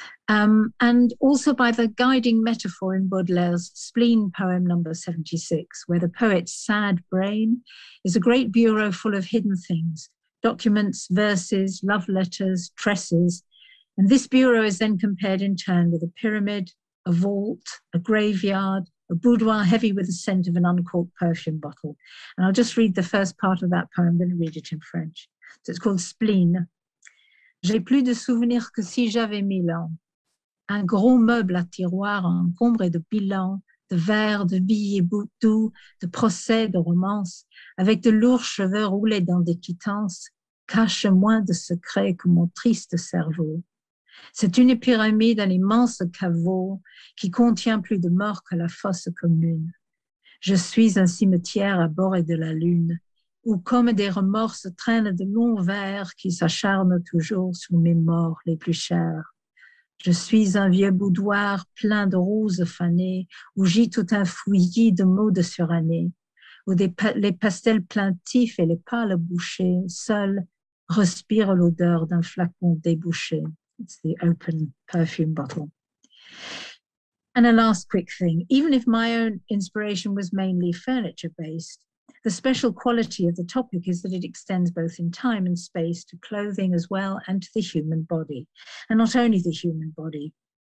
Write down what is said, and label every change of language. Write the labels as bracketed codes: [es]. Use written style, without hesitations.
[en] And also by the guiding metaphor in Baudelaire's spleen poem number 76, where the poet's sad brain is a great bureau full of hidden things, documents, verses, love letters, tresses. And this bureau is then compared in turn with a pyramid, a vault, a graveyard, a boudoir heavy with the scent of an uncorked perfume bottle. And I'll just read the first part of that poem, I'm going to read it in French. So it's called Spleen. [fr] J'ai plus de souvenirs que si j'avais mille ans. Un gros meuble à tiroir encombré de bilans, de verres, de billets doux, de procès, de romances, avec de lourds cheveux roulés dans des quittances, cache moins de secrets que mon triste cerveau. C'est une pyramide, un immense caveau qui contient plus de morts que la fosse commune. Je suis un cimetière à bord de la lune où comme des remords se traînent de longs vers qui s'acharnent toujours sur mes morts les plus chères. Je suis un vieux boudoir plein de roses fanées où gît tout un fouillis de mots de surannées où les pastels plaintifs et les pâles bouchées seuls respirent l'odeur d'un flacon débouché. [en] It's the open perfume bottle. And a last quick thing, even if my own inspiration was mainly furniture based, the special quality of the topic is that it extends both in time and space to clothing as well and to the human body, and not only the human body.